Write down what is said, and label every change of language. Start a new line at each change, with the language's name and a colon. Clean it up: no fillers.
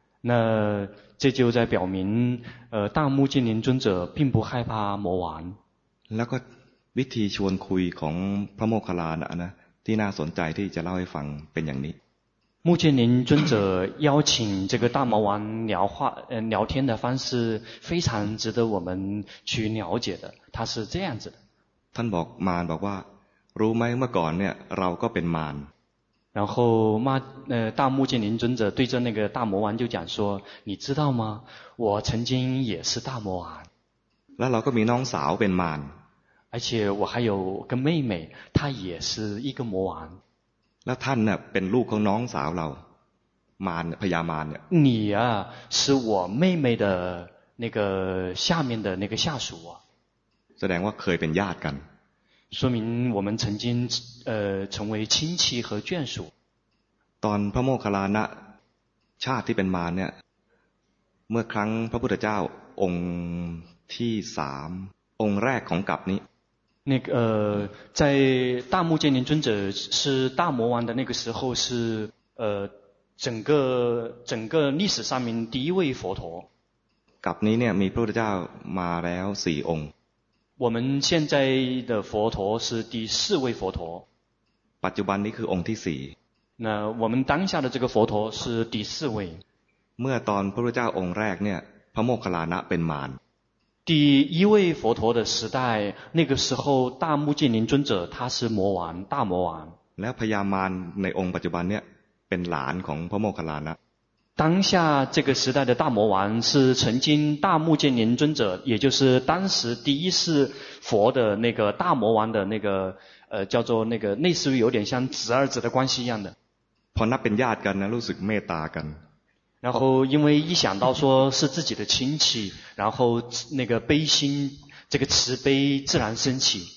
Chinese: 那这就在表明大目犍连尊者并不害怕魔王
Thai: แล้วก็วิธีชวนคุยของพระโมคคัลลานะนะที่น่าสนใจที่จะเล่าให้ฟังเป็นอย่างนี้
Chinese: 目犍连尊者邀请这个大魔王聊话聊天的方式非常值得我们去了解的他是这样子的
Thai: ท่านบอกมารบอกว่ารู้ไหมเมื่อก่อนเนี่ยเราก็เป็นมาร
Chinese: 然后大目犍连尊者对着那个大魔王就讲说你知道吗我曾经也是大魔王
Thai: แล้วเราก็มีน้องสาวเป็นมาร
Chinese: 而且我还有个妹妹她也是一个魔王那她呢
Thai: เป็นลูกของน้องสาวเราม ารพญามารเ
Chinese: นี่ย你啊是我妹妹的那个下面的那个下属
Thai: แสดงว่าเคยเป็นญาติกัน
Chinese: 说明我们曾经成为亲戚和眷属
Thai: ตอนพระโมคคัลลานะชาติที่เป็นมารเนี่ยเมื่อครั้งพระพุทธเจ้าองค์ที่สามองค์แรกของกัปนี้
Chinese: 那个在大目犍连尊者是大魔王的那个时候是整个历史上面第一位佛陀
Thai: กับนี้เนี่ยมีพระพุทธเจ้ามาแล้วสี่องค์
Chinese: 我们现在的佛陀是第四位佛陀
Thai: ปัจจุบันนี้คือองค์ที่สี่
Chinese: 那我们当下的这个佛陀是第四位
Thai: เมื่อตอนพระพุทธเจ้าองค์แรกเนี่ยพระโมคคัลลานะเป็นมาร
Chinese: 第一位佛陀的时代那个时候大目犍连尊者他是魔王大魔王
Thai: แล้วพญามารในองค์ปัจจุบันเนี่ยเป็นหลานของพระโมคคัลลานะ
Chinese: 当下这个时代的大魔王是曾经大目犍连尊者也就是当时第一世佛的那个大魔王的那个叫做那个类似于有点像侄儿子的关系一样的
Thai: พอนับเป็นญาติกันนะรู้สึกเมตตากัน
Chinese: 然后因为一想到说是自己的亲戚然后那个悲心这个慈悲自然升起